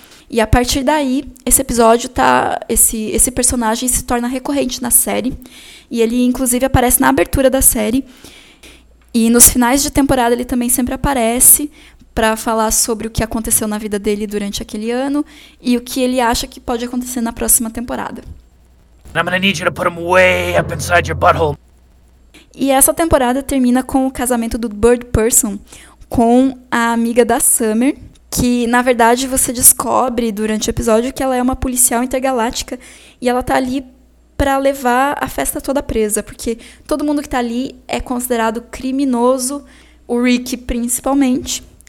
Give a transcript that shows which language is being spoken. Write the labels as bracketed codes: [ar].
[pt] E a partir daí, esse episódio tá. Esse personagem se torna recorrente na série. E ele, inclusive, aparece na abertura da série. E nos finais de temporada ele também sempre aparece para falar sobre o que aconteceu na vida dele durante aquele ano e o que ele acha que pode acontecer na próxima temporada. [en] I'm gonna need you to put him way up inside your butthole. [pt] E essa temporada termina com o casamento do Bird Person com a amiga da Summer, que na verdade você descobre durante o episódio que ela é uma policial intergaláctica e ela tá ali para levar a festa toda presa, porque todo mundo que tá ali é considerado criminoso, o Rick principalmente.